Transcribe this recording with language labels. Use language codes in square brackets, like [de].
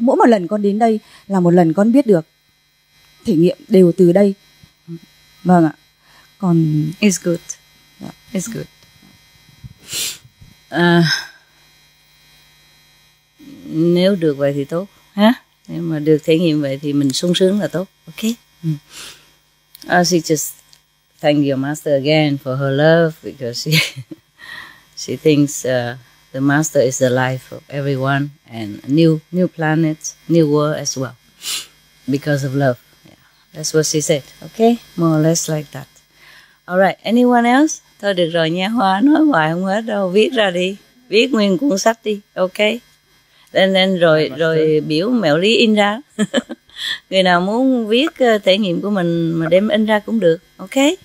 [vi] Mỗi một lần con đến đây là một lần con biết được thể nghiệm đều từ đây. Vâng ạ. Còn [en] it's good. Yeah. It's good. [vi] Nếu được vậy thì tốt. Ha? Nếu mà được thể nghiệm vậy thì mình sung sướng là tốt. [en] Okay. Mm. She just thank your master again for her love because she thinks the master is the life of everyone and new planet, new world as well because of love. Yeah. That's what she said. Okay. More or less like that. All right. Anyone else? [vi] Thôi được rồi nha Hoa, nói hoài không hết đâu. Viết ra đi. Viết nguyên cuốn sách đi. Okay. Nên rồi biểu Mẹo Lý in ra. Người nào muốn viết thể nghiệm của mình mà đem in ra cũng được. Ok.